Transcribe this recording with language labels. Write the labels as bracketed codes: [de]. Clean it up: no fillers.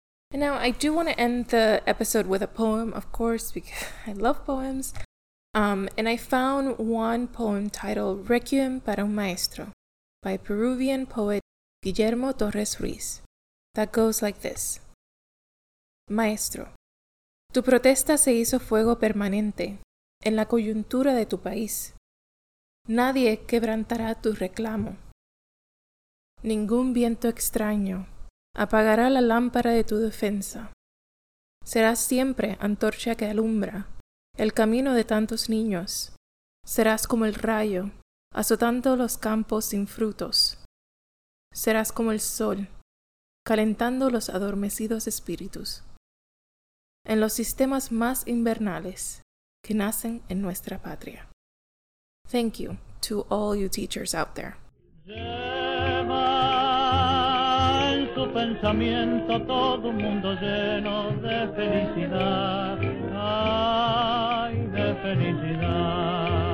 [en] And now, I do want to end the episode with a poem, of course, because I love poems. And I found one poem titled Requiem para un Maestro by Peruvian poet Guillermo Torres Ruiz, that goes like this. [es] Maestro, tu protesta se hizo fuego permanente en la coyuntura de tu país. Nadie quebrantará tu reclamo. Ningún viento extraño apagará la lámpara de tu defensa. Serás siempre antorcha que alumbra el camino de tantos niños. Serás como el rayo azotando los campos sin frutos. Serás como el sol, calentando los adormecidos espíritus, en los sistemas más invernales que nacen en nuestra patria. [en] Thank you to all you teachers out there. [es] Lleva en su pensamiento todo un mundo lleno de felicidad, ay, de felicidad.